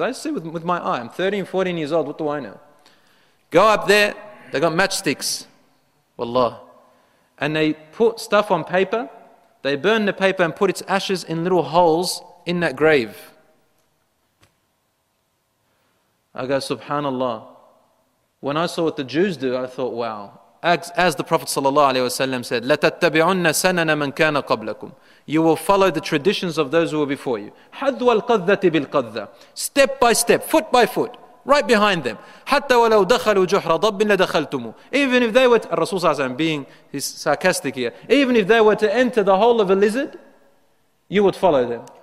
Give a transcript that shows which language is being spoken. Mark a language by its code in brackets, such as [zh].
[en] I see with my eye. I'm 13, 14 years old. What do I know? Go up there. They got matchsticks. Wallah. And they put stuff on paper. They burn the paper and put its ashes in little holes in that grave. I go, subhanAllah. When I saw what the Jews do, I thought, wow. [ar] As the Prophet ﷺ said, لَتَتَّبِعُنَّ سَنَنَ مَنْ كَانَ قَبْلَكُمْ. [en] You will follow the traditions of those who were before you. [ar] حَذْوَ الْقَذَّةِ بِالْقَذَّةِ. [en] Step by step, foot by foot, right behind them. [ar] حَتَّى وَلَوْ دَخَلُوا جُحْرَ ضَبٍ لَدَخَلْتُمُ. [en] Even if they were to, Rasul ﷺ being he's sarcastic here, even if they were to enter the hole of a lizard, you would follow them.